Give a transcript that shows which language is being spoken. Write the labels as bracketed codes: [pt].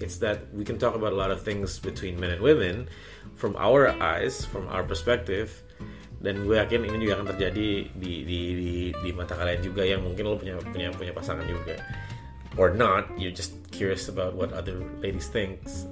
[en] It's that we can talk about a lot of things between men and women from our eyes, from our perspective. [id] Dan gue yakin ini juga akan terjadi di mata kalian juga yang mungkin lo punya pasangan juga. [en] Or not, you're just curious about what other ladies think.